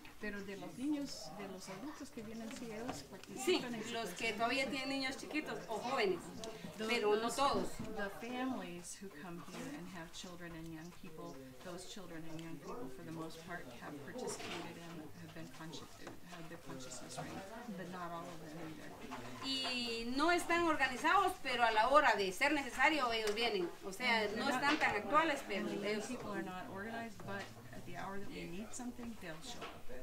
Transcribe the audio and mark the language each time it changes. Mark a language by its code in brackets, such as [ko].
[es] Pero de los niños, de los adultos que vienen, sí, ellos participan. Sí, los que todavía tienen niños chiquitos o jóvenes, pero no todos. [en] The families who come here and have children and young people, those children and young people, for the most part, have participated and have been conscious, have their consciousness raised, but not all of them either. [es] Y no están organizados, pero a la hora de ser necesario, ellos vienen. O sea, no están tan actuales, pero ellos. [en] Young people are not organized, but at the hour that we need something, they'll show up.